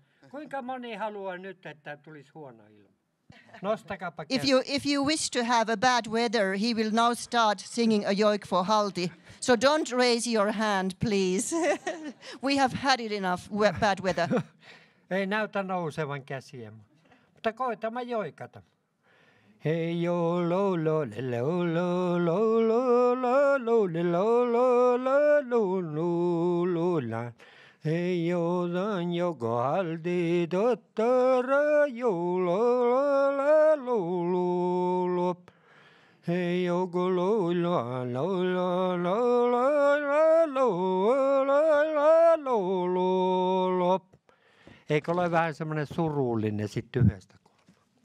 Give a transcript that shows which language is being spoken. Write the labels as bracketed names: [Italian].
[Finnish] Kuinka moni haluaa nyt, että tulisi huono ilma? Nostakaapa [English] käsi. If you wish to have a bad weather, he will now start singing a joik for Halti. So don't raise your hand, please. We have had it enough, bad weather. [Finnish] Ei näytä nousevan käsiä. Mutta koita mä joikata. Hei jo lo lo le lo lo lo lo lo lo le lo lo lo lo lo lo la. Hei jo dan jo go haldi dottara jo lo lo lo lo lo lo. Hei jo go lo lo lo lo lo lo lo lo lo lo lo lo lo. Eikö ole vähän semmoinen surullinen sitten yhdestä kohdasta?